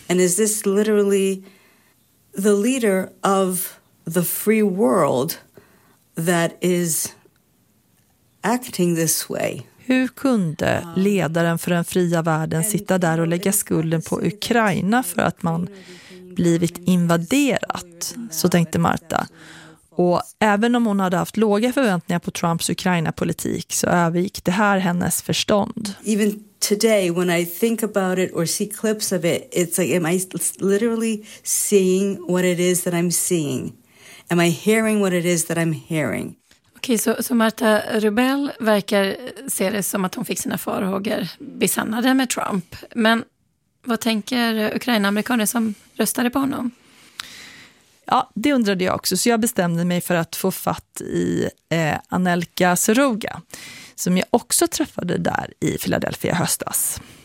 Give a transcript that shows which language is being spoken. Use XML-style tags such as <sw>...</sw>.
<en>And is this literally the leader of the free world that is acting this way?</en> <sv>Hur kunde ledaren för den fria världen sitta där och lägga skulden på Ukraina för att man blivit invaderat, så tänkte Marta. Och även om hon hade haft låga förväntningar på Trumps Ukraina-politik så övergick det här hennes förstånd.</sv> <en>Even today when I think about it or see clips of it, it's like, am I literally seeing what it is that I'm seeing? Am I hearing what it is that I'm hearing?</en> <sv>Okej, så Marta Rubell verkar se det som att hon fick sina farhågor besannade med Trump. Men vad tänker ukrainamerikaner som röstade på honom? Ja, det undrade jag också. Så jag bestämde mig för att få fatt i Anelka Seruga, som jag också träffade där i Philadelphia höstas.</sv>